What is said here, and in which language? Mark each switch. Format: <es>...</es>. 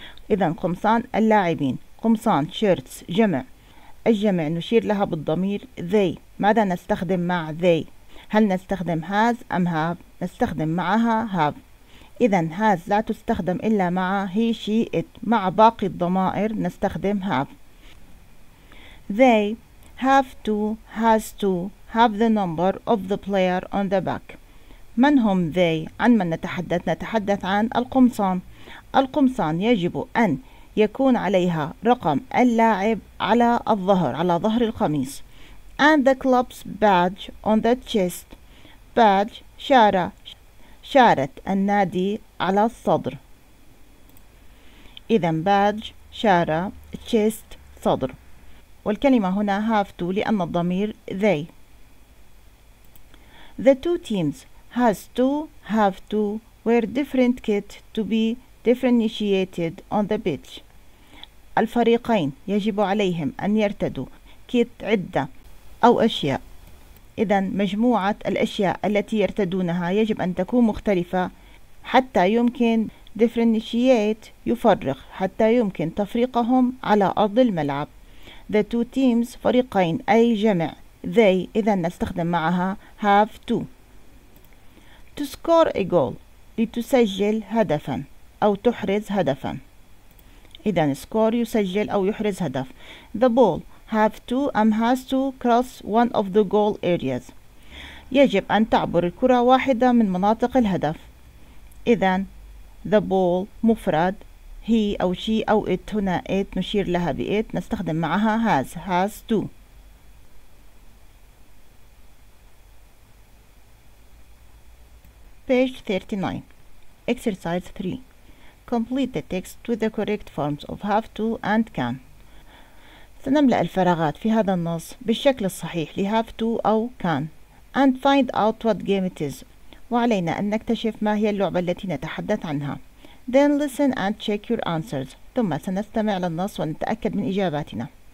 <ar>إذن قمصان اللاعبين. قمصان شيرتس جمع. الجمع نشير لها بالضمير they. ماذا نستخدم مع they؟ هل نستخدم has أم have؟ نستخدم معها have. إذن has لا تستخدم إلا مع he, she, it. مع باقي الضمائر نستخدم have.</ar> <en>They have to, has to, have the number of the player on the back.</en> <ar>من هم they؟ عن من نتحدث؟ نتحدث عن القمصان. القمصان يجب أن يكون عليها رقم اللاعب على الظهر، على ظهر القميص.</ar> <en>And the club's badge on the chest.</en> <ar>Badge شارة. شارة النادي على الصدر. إذن badge شارة chest صدر. والكلمة هنا have to لأن الضمير they.</ar> <en>The two teams has to have to wear different kit to be differentiated on the pitch.</en> <ar>الفريقين يجب عليهم أن يرتدوا كيت عدة أو أشياء. إذن مجموعة الأشياء التي يرتدونها يجب أن تكون مختلفة حتى يمكن differentiate يفرق حتى يمكن تفريقهم على أرض الملعب.</ar> <en>The two teams</en> <ar>فريقين أي جمع they إذن نستخدم معها have to.</ar> <en>To score a goal</en> <ar>لتسجل هدفا أو تحرز هدفا. إذن score يسجل أو يحرز هدف.</ar> <en>The ball have to and has to cross one of the goal areas.</en> <ar>يجب أن تعبر الكرة واحدة من مناطق الهدف. إذن the ball مفرد he أو she أو it هنا it نشير لها ب it نستخدم معها has to.</ar> <en>Page 39. Exercise 3. Complete the text with the correct forms of have to and can.</en> <ar>سنملأ الفراغات في هذا النص بالشكل الصحيح لhave to أو can.</ar> <en>And find out what game it is.</en> <ar>وعلينا أن نكتشف ما هي اللعبة التي نتحدث عنها.</ar> <en>Then listen and check your answers.</en> <ar>ثم سنستمع للنص ونتأكد من إجاباتنا.</ar>